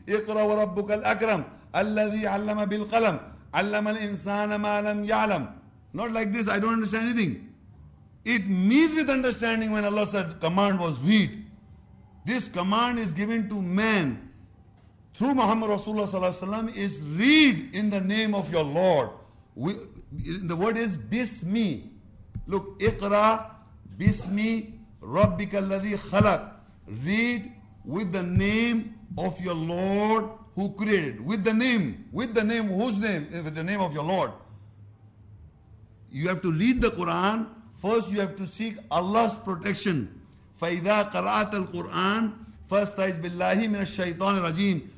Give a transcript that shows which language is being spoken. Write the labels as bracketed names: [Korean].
[Arabic] اقرأ وربك الأكرم الذي علم بالقلم علم الإنسان ما لم يعلم. [English] Not like this. I don't understand anything. It means with understanding when Allah said command was read. This command is given to man through Muhammad Rasulullah صلى الله عليه وسلم is read in the name of your Lord. The word is bismi. Look, [Arabic] اقرأ bismi ربك الذي خلق. [English] Read with the name of your Lord who created. With the name, whose name? With the name of your Lord. You have to read the Quran. First, you have to seek Allah's protection. [Arabic] فَإِذَا قَرَأَتَ الْقُرْآنِ فَاسْتَعِذْ بِاللَّهِ مِنَ الشَّيْطَانِ الرَّجِيمِ.